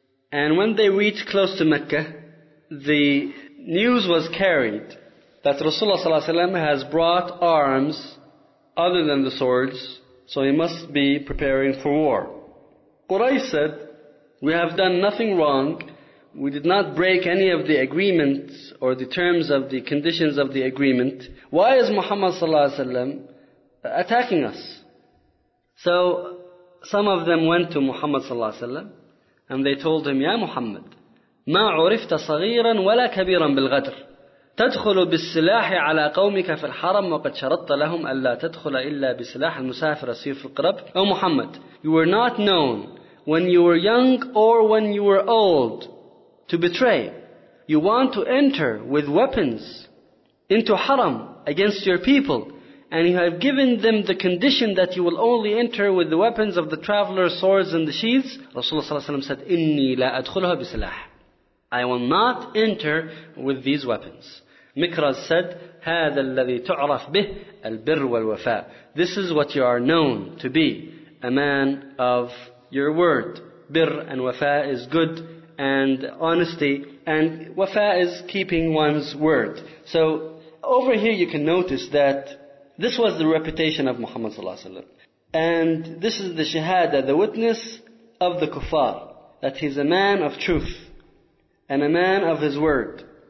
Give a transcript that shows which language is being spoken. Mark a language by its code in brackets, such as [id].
[en] And when they reached close to Mecca, the news was carried that Rasulullah sallallahu alayhi wa sallam has brought arms other than the swords, so he must be preparing for war. Quraysh said, we have done nothing wrong. We did not break any of the agreements or the terms of the conditions of the agreement. Why is Muhammad sallallahu alayhi wa sallam attacking us? So some of them went to Muhammad sallallahu alayhi wa sallam and they told him, Ya Muhammad, [ar] ما عرفت صغيرا ولا كبيرا بالغدر تدخل بالسلاح على قومك في الحرم وقد شرطت لهم ألا تدخل إلا بسلاح المسافر سيف القرب. [en] O Muhammad, you were not known when you were young or when you were old to betray. You want to enter with weapons into haram against your people, and you have given them the condition that you will only enter with the weapons of the traveler, swords and the sheaths. Rasulullah ﷺ said, [ar] إِنِّي لَا أَدْخُلُهَا بِسِلَاحِ. [en] I will not enter with these weapons. Mikraz said, [ar] هَذَا الَّذِي تُعْرَفْ بِهِ الْبِرْ وَالْوَفَاء. [en] This is what you are known to be, a man of your word. Birr and wafa is good and honesty, and wafa is keeping one's word. So over here you can notice that this was the reputation of Muhammad sallallahu alaihi wasallam, and this is the shahada, the witness of the kuffar, that he's a man of truth and a man of his word.